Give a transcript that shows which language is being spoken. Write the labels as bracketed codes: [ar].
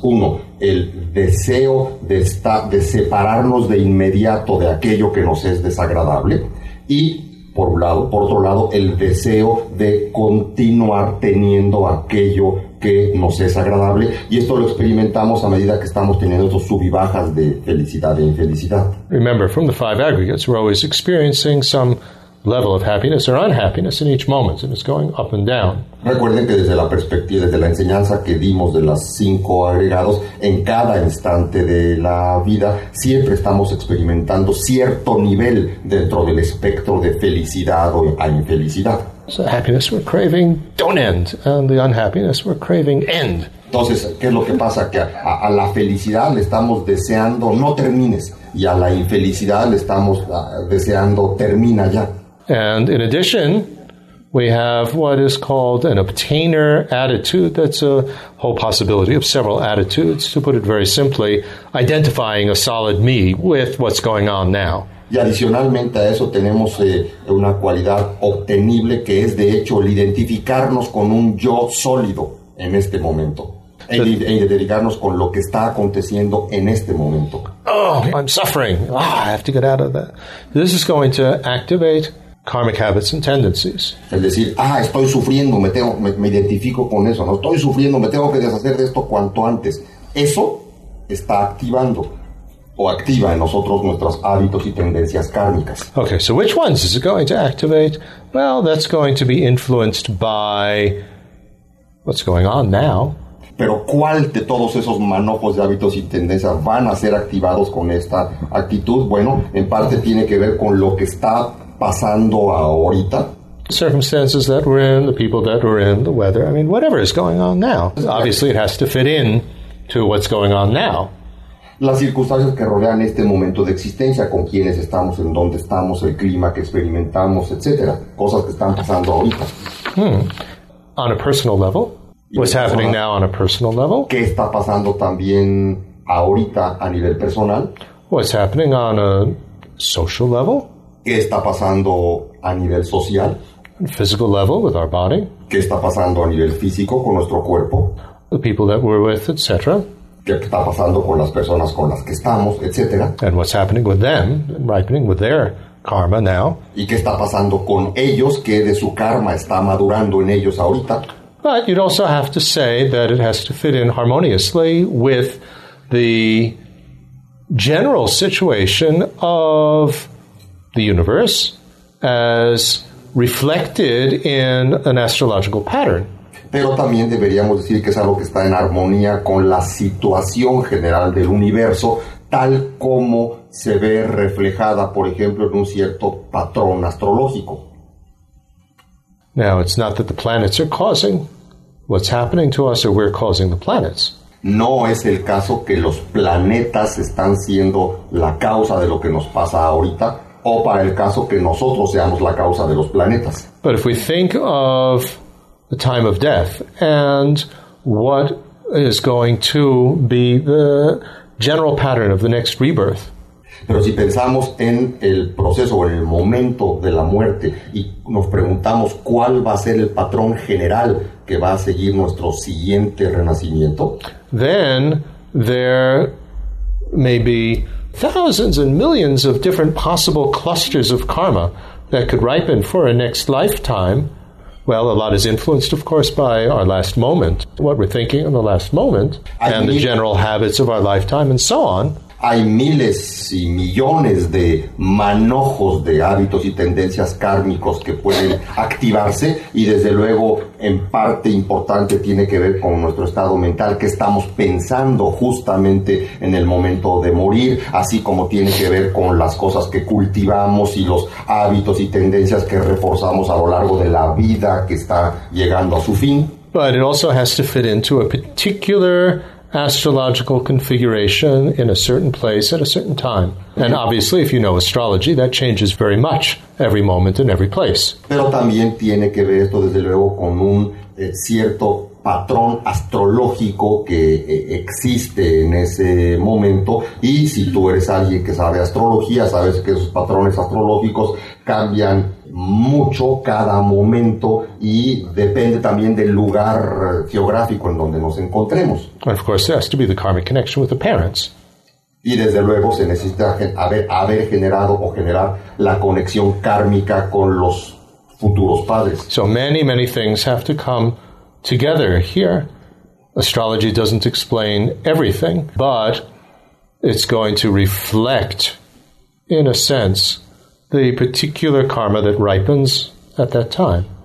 [es] Uno, el deseo de separarnos de inmediato de aquello que nos es desagradable, y por otro lado, el deseo de continuar teniendo aquello que nos es agradable, y esto lo experimentamos a medida que estamos teniendo estos subibajas de felicidad e infelicidad. [en] Remember, from the five aggregates, we're always experiencing some level of happiness or unhappiness in each moment, and it's going up and down. [es] Recuerden que desde la perspectiva, desde la enseñanza que dimos de las cinco agregados, en cada instante de la vida siempre estamos experimentando cierto nivel dentro del espectro de felicidad o infelicidad. [en] So happiness we're craving don't end, and the unhappiness we're craving end. [es] Entonces, ¿qué es lo que pasa? Que a la felicidad le estamos deseando no termines, y a la infelicidad le estamos deseando termina ya. [en] And in addition, we have what is called an obtainer attitude. That's a whole possibility of several attitudes, to put it very simply, identifying a solid me with what's going on now. [es] Y adicionalmente a eso tenemos una cualidad obtenible, que es de hecho el identificarnos con un yo sólido en este momento. E identificarnos con lo que está aconteciendo en este momento. [en] Oh, I'm suffering. Oh, I have to get out of that. This is going to activate karmic habits and tendencies. [es] El decir, estoy sufriendo, me identifico con eso, no estoy sufriendo, me tengo que deshacer de esto cuanto antes. Eso está activando o activa en nosotros nuestros hábitos y tendencias kármicas. [en] Okay, so which ones is it going to activate? Well, that's going to be influenced by what's going on now. [es] Pero ¿cuál de todos esos manojos de hábitos y tendencias van a ser activados con esta actitud? Bueno, en parte tiene que ver con lo que está pasando ahorita. [en] Circumstances that we're in, the people that we're in, the weather, I mean, whatever is going on now. Obviously, it has to fit in to what's going on now. [es] Las circunstancias que rodean este momento de existencia, con quienes estamos, en dónde estamos, el clima que experimentamos, etcétera, cosas que están pasando ahorita. [en] On a personal level, What's happening now on a personal level? [es] ¿Qué está pasando también ahorita a nivel personal? [en] What's happening on a social level? [es] ¿Qué está pasando a nivel social? [en] On a physical level with our body? [es] ¿Qué está pasando a nivel físico con nuestro cuerpo? [en] The people that we're with, etc. [es] ¿Qué está pasando con las personas con las que estamos, etc.? [en] And what's happening with them, ripening with their karma now? [es] ¿Y qué está pasando con ellos? ¿Qué de su karma está madurando en ellos ahorita? [en] But you'd also have to say that it has to fit in harmoniously with the general situation of the universe as reflected in an astrological pattern. [es] Pero también deberíamos decir que es algo que está en armonía con la situación general del universo, tal como se ve reflejada, por ejemplo, en un cierto patrón astrológico. [en] Now, it's not that the planets are causing what's happening to us, or we're causing the planets. [es] No es el caso que los planetas están siendo la causa de lo que nos pasa ahorita, o para el caso que nosotros seamos la causa de los planetas. [en] But if we think of the time of death and what is going to be the general pattern of the next rebirth. [es] Pero si pensamos en el proceso o en el momento de la muerte y nos preguntamos cuál va a ser el patrón general que va a seguir nuestro siguiente renacimiento, [en] then there may be thousands and millions of different possible clusters of karma that could ripen for a next lifetime. Well, a lot is influenced, of course, by our last moment, what we're thinking in the last moment, and the general habits of our lifetime, and so on. [es] Hay miles y millones de manojos de hábitos y tendencias kármicos que pueden activarse, y desde luego, en parte importante, tiene que ver con nuestro estado mental, que estamos pensando justamente en el momento de morir, así como tiene que ver con las cosas que cultivamos y los hábitos y tendencias que reforzamos a lo largo de la vida que está llegando a su fin. [en] But it also has to fit into a particular astrological configuration in a certain place at a certain time. And obviously, if you know astrology, that changes very much every moment in every place. [es] Pero también tiene que ver esto, desde luego, con un cierto patrón astrológico que existe en ese momento. Y si tú eres alguien que sabe astrología, sabes que esos patrones astrológicos cambian mucho cada momento y depende también del lugar geográfico en donde nos encontremos. [en] And of course, there has to be the karmic connection with the parents. [es] Y desde luego se necesita haber generado o generar la conexión kármica con los futuros padres. [en] So many, many things have to come together here. Astrology doesn't explain everything, but it's going to reflect, in a sense, the particular karma that ripens at that time.